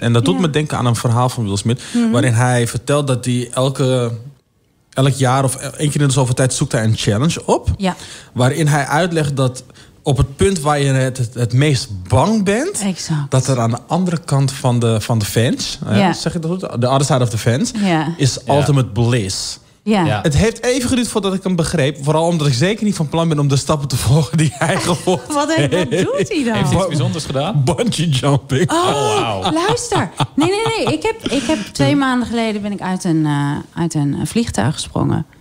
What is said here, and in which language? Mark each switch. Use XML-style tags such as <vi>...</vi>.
<nl>En dat doet me denken aan een verhaal van Will Smith. Mm-hmm. Waarin hij vertelt dat hij elk jaar of één keer in de zoveel tijd zoekt hij een challenge op. Ja. Waarin hij uitlegt dat op het punt waar je het meest bang bent. Exact. Dat er aan de andere kant van de fence, zeg ik dat goed?</nl> <en>The other side of the fence, is ultimate bliss.</en> <nl>Ja. Het heeft even geduurd voordat ik hem begreep. Vooral omdat ik zeker niet van plan ben om de stappen te volgen die hij gevolgd heeft. Wat doet hij dan? Heeft hij iets bijzonders gedaan? Bungee jumping. Oh, wow. Luister. Nee. Ik heb 2 maanden geleden ben ik uit een vliegtuig gesprongen.</nl>